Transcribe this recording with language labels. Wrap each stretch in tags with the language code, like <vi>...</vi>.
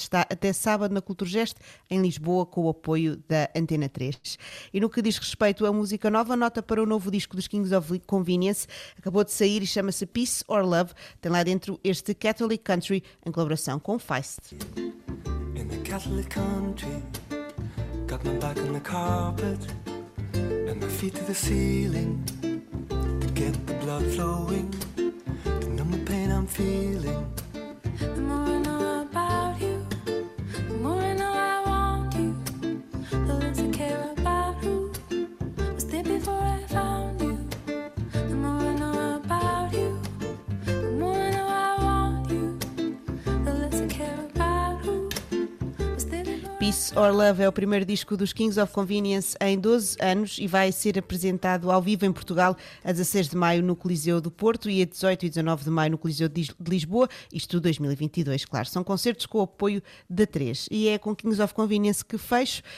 <pt>Está até sábado na Culturgest, em Lisboa, com o apoio da Antena 3. E no que diz respeito à música nova, nota para o novo disco dos Kings of Convenience. Acabou de sair e chama-se Peace or Love. Tem lá dentro este Catholic Country em colaboração com Feist.</pt> <en>In the Catholic Country, got my back on the carpet. And my feet to the ceiling to get the blood flowing to numb the pain I'm feeling. The more I know about you, the more I know I want you, the less I care about who was there before I found you. The more I know about you, the more I know I want you, the less I care about who was there before.</en> <pt>Peace or Love é o primeiro disco dos Kings of Convenience em 12 anos e vai ser apresentado ao vivo em Portugal a 16 de maio no Coliseu do Porto e a 18 e 19 de maio no Coliseu de Lisboa, isto 2022, claro. São concertos com o apoio da 3. E é com Kings of Convenience que fecho.</pt>